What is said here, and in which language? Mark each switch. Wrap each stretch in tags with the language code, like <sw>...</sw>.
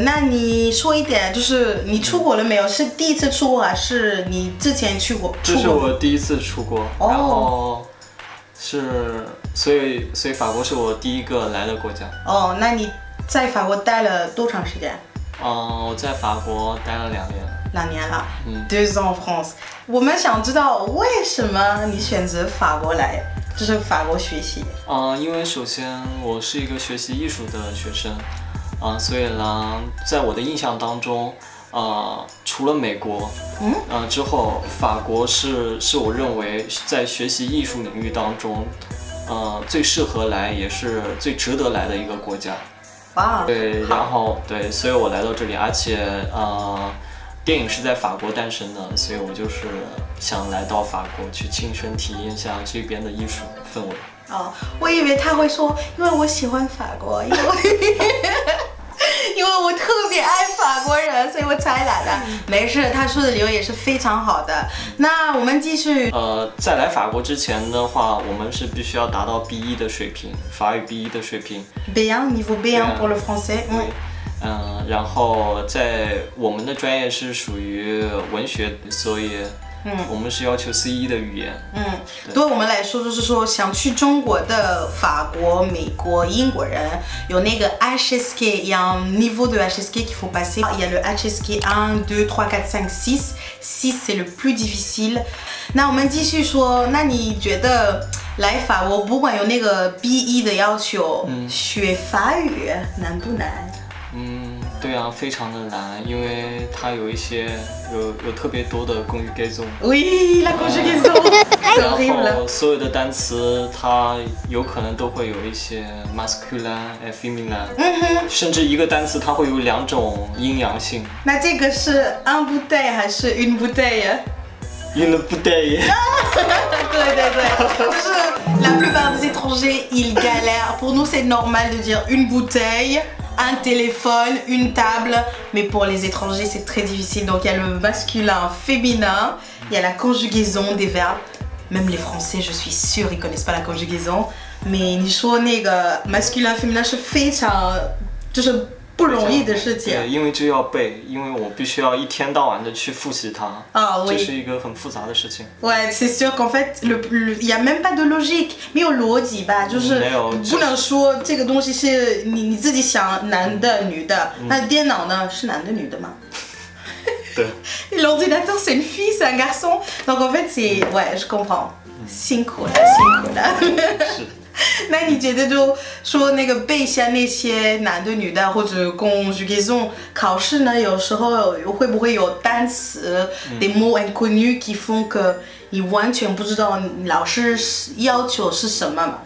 <zh>那你说一点，就是你出国了没有？是第一次出国，还是你之前去过？这是我第一次出国。哦。是，所以法国是我第一个来的国家。哦，那你在法国待了多长时间？我在法国待了两年。两年了，</zh> <fr>deux ans en France。</fr> <zh>我们想知道为什么你选择法国来，就是法国学习。因为首先我是一个学习艺术的学生，所以呢，在我的印象当中，除了美国，之后法国是我认为在学习艺术领域当中，最适合来也是最值得来的一个国家。哇。对，然后对，所以我来到这里，而且电影是在法国诞生的，所以我就是想来到法国去亲身体验一下这边的艺术氛围。哦，我以为他会说，因为我喜欢法国，因为我特别爱法国人，所以我才来的。没事，他说的理由也是非常好的。那我们继续。在来法国之前的话，我们是必须要达到 B1 的水平，法语 B1 的水平。</zh> <fr>Bien, niveau bien pour le français.</fr> <zh>然后在我们的专业是属于文学，所以我们是要求 C1 的语言。对我们来说，就是说想去中国的法国、美国、英国人有那个</zh> <fr>HSK， 有 niveau de HSK qu'il faut passer， il y a le HSK 1 2 3 4 5 6 6 c'est le plus difficile。</fr> <zh>那我们继续说，那你觉得来法国不管有那个 B1 的要求，学法语难不难？对啊，非常的难，因为它有一些有特别多的公语改造。喂，那公语改造太恐怖了。然后所有的单词它有可能都会有一些 masculine、feminine， 甚至一个单词它会有两种阴阳性。那这个是</zh> <fr>un bouteille</fr> <zh>还是</zh> <fr>une bouteille？ Une bouteille。</fr> <zh>对对对，就是</zh> <fr>la plupart des étrangers ils galèrent. Pour nous c'est normal de dire une bouteille。 Un téléphone, une table, mais pour les étrangers c'est très difficile. Donc il y a le masculin, féminin, il y a la conjugaison des verbes. Même les Français, je suis sûre, ils connaissent pas la conjugaison. Mais une chose, masculin, féminin, je fais ça, je fais ça.</fr> <zh>不容易的事情，对，因为就要背，因为我必须要一天到晚的去复习它，这是一个很复杂的事情。对，</zh> <fr>c'est sûr qu'en fait il y a même pas de logique，</fr> <zh>没有逻辑吧，就是不能说这个东西是你自己想男的女的，那电脑呢是男的女的吗？对。</zh> <fr>L'ordinateur c'est une fille c'est un garçon， donc en fait c'est ouais je comprends，</fr> <zh>辛苦了辛苦了。是。那你觉得就说那个背下那些男的女的或者conjugaison考试呢有时候会不会有单词、</zh> <fr>des mots inconnus qui font que</fr> <zh>你完全不知道老师要求是什么</zh>